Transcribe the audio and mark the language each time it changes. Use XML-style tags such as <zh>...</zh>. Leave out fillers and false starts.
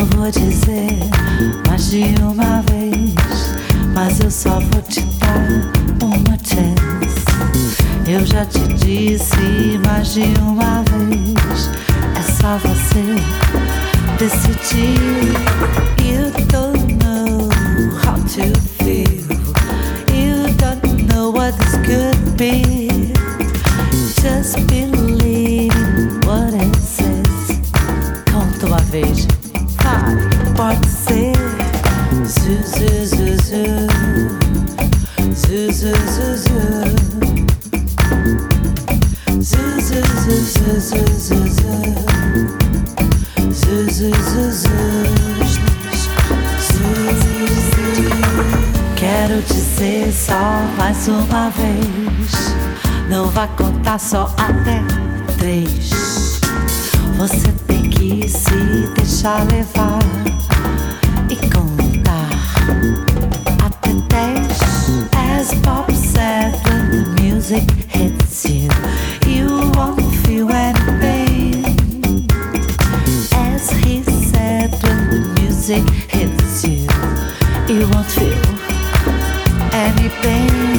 <pt>dizer mais de uma vez, mas eu só vou te dar uma chance. Eu já te disse mais de uma vez, é só você decidir.</pt> <en>You don't know how to feel, you don't know what this could be. Just believe what it says.</en> <pt>Conta uma vez, pode ser. Zu, zu, zu, zu. Zu, zu, zu, zu. Quero dizer só mais uma vez, não vá contar só até três. Você tem que se deixar levar e contar até dez.</pt> <en>As Bob said when the music hits you, you won't feel anything. As he said when the music hits you, you won't feel anything.</en>